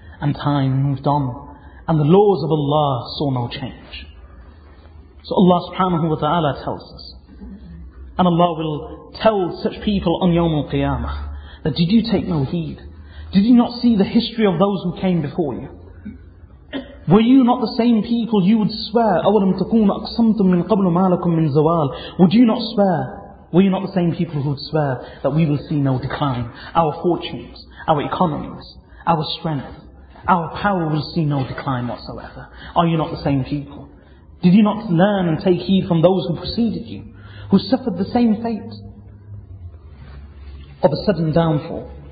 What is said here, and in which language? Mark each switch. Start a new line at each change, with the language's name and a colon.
English: And time moved on. And the laws of Allah saw no change. So Allah subhanahu wa ta'ala tells us. And Allah will tell such people on Yawm al-Qiyamah that, did you take no heed? Did you not see the history of those who came before you? Were you not the same people? You would swear,
Arabic: أَوَلَمْ تَكُونَ أَقْسَمْتُمْ مِنْ قَبْلُ مَا لَكُمْ مِنْ زَوَالٍ.
English: Would you not swear? Were you not the same people who would swear that we will see no decline? Our fortunes, our economies, our strength, our power will see no decline whatsoever. Are you not the same people? Did you not learn and take heed from those who preceded you, who suffered the same fate of a sudden downfall?